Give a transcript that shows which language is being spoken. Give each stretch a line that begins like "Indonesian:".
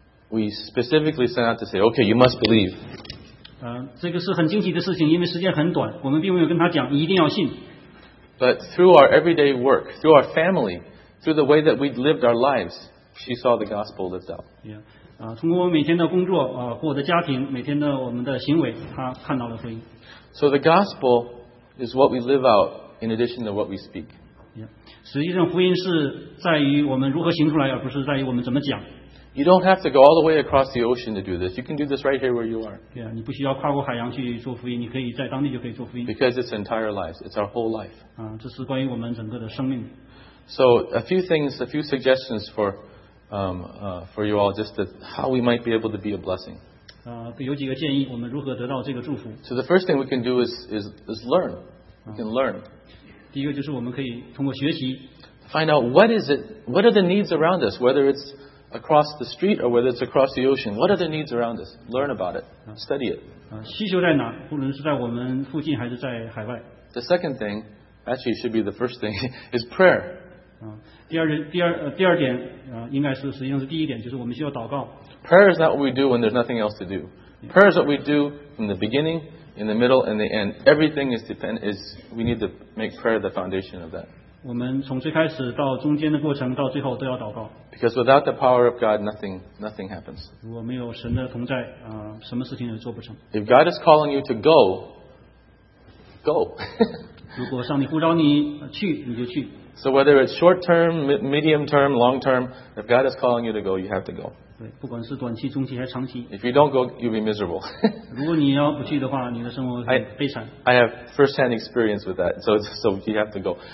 English: We specifically sent out to say, "Okay, you must believe."
Chinese: 这个是很惊奇的事情，因为时间很短，我们并没有跟他讲你一定要信。
English: But through our everyday work, through our family, through the way that we lived our lives, she saw the gospel lived out.
Chinese: Yeah, 通过我每天的工作，和我的家庭，每天的我们的行为，她看到了福音。
English: So the gospel is what we live out in addition to what we speak.
Chinese: Yeah, 实际上福音是在于我们如何行出来，而不是在于我们怎么讲。
English: You don't have to go all the way across the ocean to do this. You can do this right here where you are.
Chinese: Yeah, 你不需要跨过海洋去做福音，你可以在当地就可以做福音。
English: Because it's entire lives. It's our whole life.
Chinese: 这是关于我们整个的生命。
English: So a few things, a few suggestions for you all, just that how we might be able to be a blessing.
Chinese: 有几个建议，我们如何得到这个祝福。
English: So the first thing we can do is learn. We can learn.
Chinese: 第一个就是我们可以通过学习。
English: Find out what are the needs around us, whether it's,across the street or whether it's across the ocean. What are the needs around us? Learn about it. Study it.
Chinese: 需求在哪？不论是在我们附近还是在海外。
English: The second thing, actually should be the first thing, is prayer.
Chinese: 第二点应该是实际上是第一点，就是我们需要祷告。
English: Prayer is not what we do when there's nothing else to do. Prayer is what we do from the beginning, in the middle, and the end. Everything is we need to make prayer the foundation of that.
Chinese: 我们从最开始到中间的过程到最后都要祷告。
English: Because without the power of God, nothing happens.
Chinese: 如果没有神的同在，什么事情也做不成。
English: If God is calling you to go, go.
Chinese: 如果上帝呼召你去，你就去。
English: So whether it's short term, medium term, long term, if God is calling you to go, you have to go.
Chinese: 对，不管是短期、中期还是长期。
English: If you don't go, you'll be miserable.
Chinese: 如果你要不去的话，你的生活会悲惨。
English: I have first-hand experience with that, so you have to go.